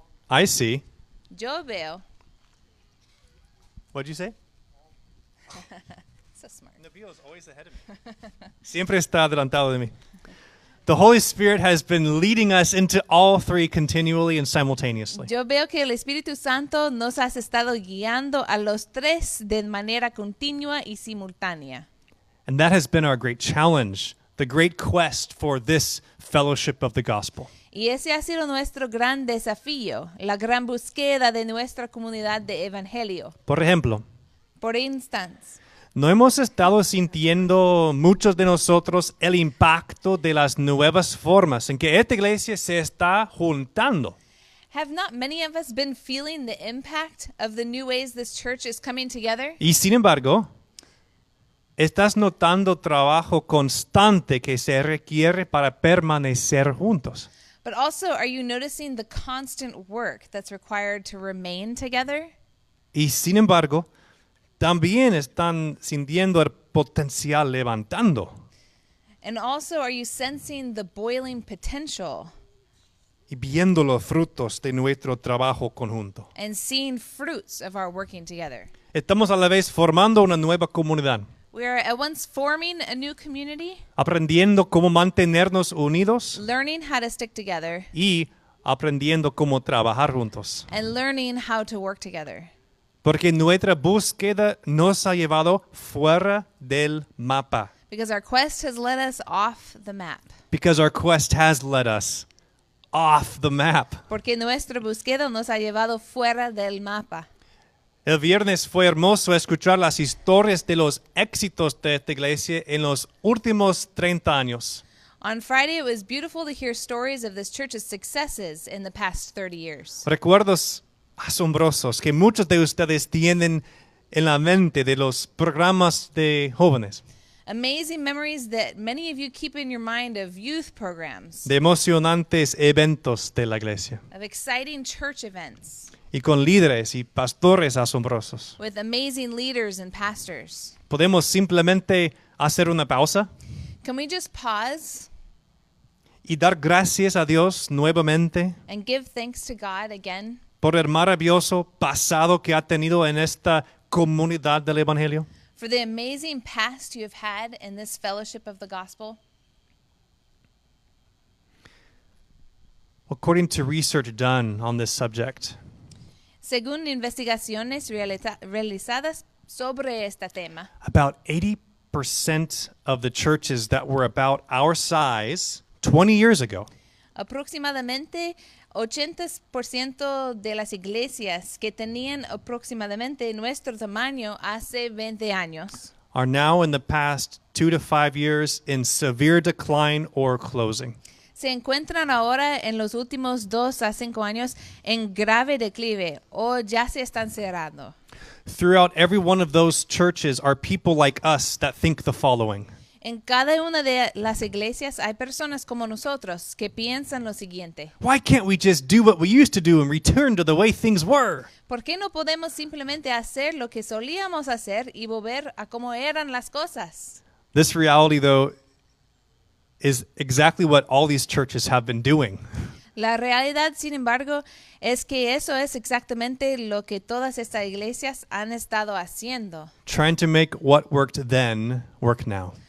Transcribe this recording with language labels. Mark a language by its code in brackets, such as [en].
[en] I see. [es] Yo veo. [en] What'd you say? So smart. Nabil is always ahead of me. [es] Siempre está adelantado de mí. [en] The Holy Spirit has been leading us into all three continually and simultaneously. [es] Yo veo que el Espíritu Santo nos ha estado guiando a los tres de manera continua y simultánea. [en] And that has been our great challenge, the great quest for this fellowship of the gospel. [es] Y ese ha sido nuestro gran desafío, la gran búsqueda de nuestra comunidad de evangelio. Por ejemplo. Por instance. ¿No hemos estado sintiendo muchos de nosotros el impacto de las nuevas formas en que esta iglesia se está juntando? [en] Have not many of us been feeling the impact of the new ways this church is coming together? [es] Y sin embargo, ¿estás notando trabajo constante que se requiere para permanecer juntos? [en] But also, are you noticing the constant work that's required to remain together? [es] Y sin embargo, también están sintiendo el potencial levantando. [en] And also, are you sensing the boiling potential? [es] Y viendo los frutos de nuestro trabajo conjunto. [en] And seeing fruits of our working together. [es] Estamos a la vez formando una nueva comunidad. [en] We are at once forming a new community. [es] Aprendiendo cómo mantenernos unidos. [en] Learning how to stick together. [es] Y aprendiendo cómo trabajar juntos. [en] And learning how to work together. [es] Porque nuestra búsqueda nos ha llevado fuera del mapa. [en] Because our quest has led us off the map. Because our quest has led us off the map. [es] Porque nuestra búsqueda nos ha llevado fuera del mapa. El viernes fue hermoso escuchar las historias de los éxitos de esta iglesia en los últimos 30 años. [en] On Friday, it was beautiful to hear stories of this church's successes in the past 30 years. [es] Recuerdos asombrosos que muchos de ustedes tienen en la mente de los programas de jóvenes. [en] Amazing memories that many of you keep in your mind of youth programs. [es] De emocionantes eventos de la iglesia. [en] Of exciting church events. [es] Y con líderes y pastores asombrosos. [en] With amazing leaders and pastors. [es] ¿Podemos simplemente hacer una pausa? [en] Can we just pause? [es] Y dar gracias a Dios nuevamente. [en] And give thanks to God again. [es] Por el maravilloso pasado que ha tenido en esta comunidad del Evangelio. [en] For the amazing past you have had in this fellowship of the gospel. According to research done on this subject. [es] Según investigaciones realizadas sobre este tema. [en] About 80% of the churches that were about our size 20 years ago. [es] Aproximadamente 80% de las iglesias que tenían aproximadamente nuestro tamaño hace 20 años [en] are now in the past 2 to 5 years in severe decline or closing. [es] Se encuentran ahora en los últimos 2 a 5 años en grave declive o ya se están cerrando. [en] Throughout every one of those churches are people like us that think the following. [es] En cada una de las iglesias hay personas como nosotros que piensan lo siguiente. [en] Why can't we just do what we used to do and return to the way things were? [es] ¿Por qué no podemos simplemente hacer lo que solíamos hacer y volver a cómo eran las cosas? [en] This reality, though, is exactly what all these churches have been doing. [es] La realidad, sin embargo, es que eso es exactamente lo que todas estas iglesias han estado haciendo. [en] Trying to make what worked then work now.